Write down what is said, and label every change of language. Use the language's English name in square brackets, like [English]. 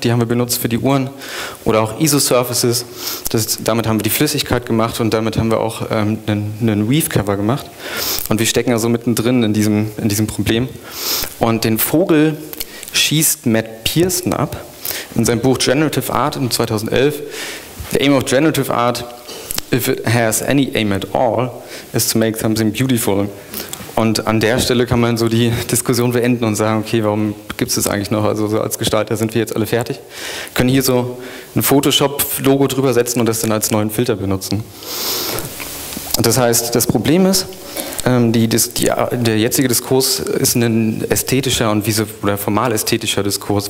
[German] Die haben wir benutzt für die Uhren. Oder auch ISO-Surfaces. Damit haben wir die Flüssigkeit gemacht und damit haben wir auch einen Weave-Cover gemacht. Und wir stecken also mittendrin in diesem Problem. Und den Vogel schießt Matt Pearson ab in seinem Buch Generative Art im 2011. [English] The aim of generative art, if it has any aim at all, is to make something beautiful. [German] Und an der Stelle kann man so die Diskussion beenden und sagen, okay, warum gibt es das eigentlich noch? Also so als Gestalter sind wir jetzt alle fertig. Können hier so ein Photoshop-Logo drüber setzen und das dann als neuen Filter benutzen. Das heißt, das Problem ist, der jetzige Diskurs ist ein ästhetischer und formal ästhetischer Diskurs.